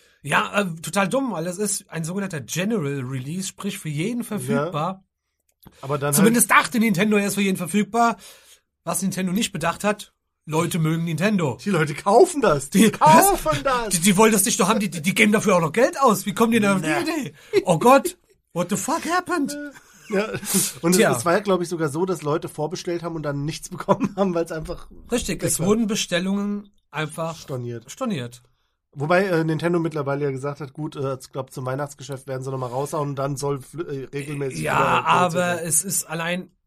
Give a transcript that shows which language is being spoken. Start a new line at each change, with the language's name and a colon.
German: Ja, total dumm, weil das ist ein sogenannter General Release, sprich für jeden verfügbar. Ja. Aber dann zumindest dachte Nintendo, er ist für jeden verfügbar. Was Nintendo nicht bedacht hat, Leute mögen Nintendo. Die Leute kaufen das. Die kaufen das. Die wollen das nicht doch haben. Die geben dafür auch noch Geld aus. Wie kommen die denn auf die Idee? Oh Gott,
English: what the fuck happened?
German: Ja. Und es war ja, glaube ich, sogar so, dass Leute vorbestellt haben und dann nichts bekommen haben, weil es einfach... Richtig, es wurden Bestellungen einfach... Storniert. Wobei Nintendo mittlerweile ja gesagt hat, gut, ich glaube, zum Weihnachtsgeschäft werden sie nochmal raushauen und dann soll regelmäßig... Ja, aber es ist allein...